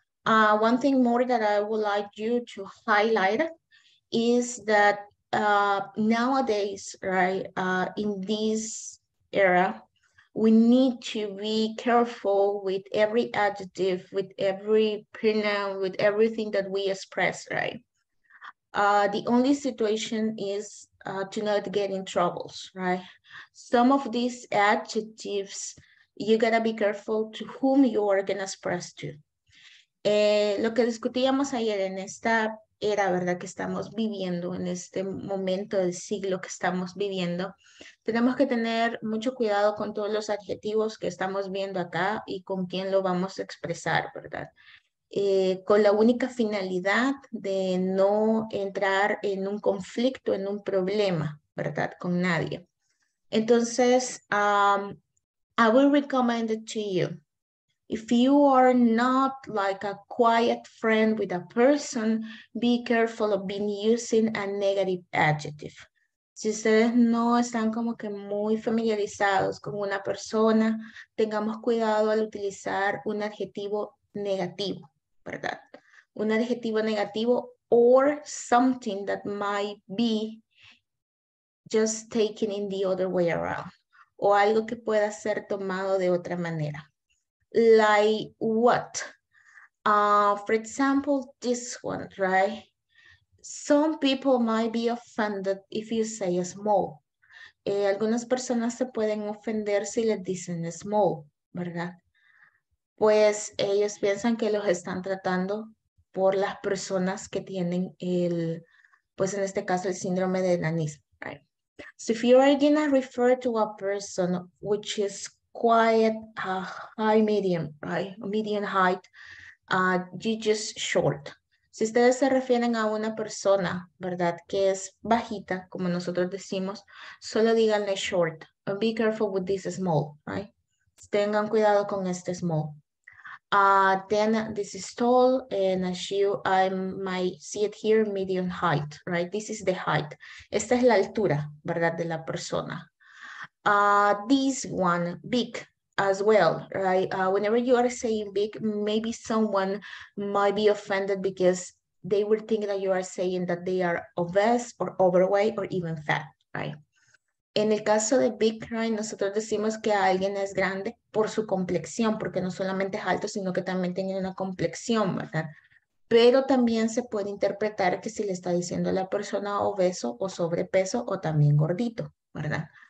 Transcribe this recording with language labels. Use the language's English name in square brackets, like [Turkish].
[English] One thing more that I would like you to highlight is that nowadays, right, in this era, we need to be careful with every adjective, with every pronoun, with everything that we express, right? The only situation is to not get in troubles, right? Some of these adjectives, you gotta be careful to whom you are gonna express to. [Spanish] Lo que discutíamos ayer en esta era, ¿verdad?, que estamos viviendo en este momento del siglo que estamos viviendo, tenemos que tener mucho cuidado con todos los adjetivos que estamos viendo acá y con quién lo vamos a expresar, ¿verdad? Con la única finalidad de no entrar en un conflicto, en un problema, ¿verdad?, con nadie. Entonces, [English] I will recommend it to you. If you are not like a quiet friend with a person, be careful of being using a negative adjective. [Spanish] Si ustedes no están como que muy familiarizados con una persona, tengamos cuidado al utilizar un adjetivo negativo, ¿verdad? Un adjetivo negativo [English] or something that might be just taken in the other way around, [Spanish] o algo que pueda ser tomado de otra manera. [English] Like what? For example, this one, right? Some people might be offended if you say small. [Spanish] Algunas personas se pueden ofender si les dicen small, ¿verdad? Pues ellos piensan que los están tratando por las personas que tienen el, pues en este caso, el síndrome de enanismo, [English] right? So if you are gonna refer to a person which is quiet, high, medium, right? Medium height, you just short. [Spanish] Si ustedes se refieren a una persona, ¿verdad?, que es bajita, como nosotros decimos, solo díganle short. [English] Be careful with this small, right? [Spanish] Tengan cuidado con este small. [English] Then this is tall, and as you, I might see it here, medium height, right? This is the height. [Spanish] Esta es la altura, ¿verdad?, de la persona. [English] This one, big as well, right? Whenever you are saying big, maybe someone might be offended because they will think that you are saying that they are obese or overweight or even fat, right? [Spanish] En el caso de big, [English] right, [Spanish] nosotros decimos que alguien es grande por su complexión, porque no solamente es alto, sino que también tiene una complexión, ¿verdad? Pero también se puede interpretar que si le está diciendo a la persona obeso o sobrepeso o también gordito, ¿verdad?